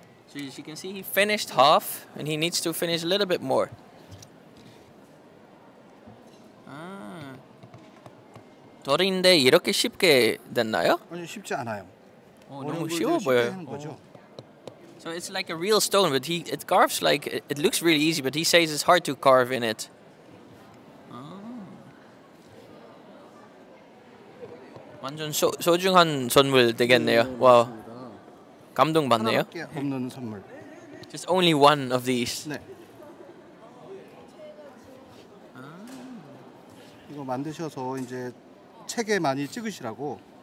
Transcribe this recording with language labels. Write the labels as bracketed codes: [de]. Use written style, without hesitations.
[en] So as you can see, he finished half, and he needs to finish a little bit more. Ah. [ko] 돌인데 이렇게 쉽게 됐나요? 아니 쉽지 않아요. 너무 쉬워 보여. [en] So it's like a real stone, but it carves like it looks really easy, but he says it's hard to carve in it. Ah. [ko] 완전 소중한 선물 되겠네요. 와. 감동받네요. 하나밖에 없는 선물. [en] Just only one of these. [ko] 네. 아. 이거 만드셔서 이제 책에 많이 찍으시라고.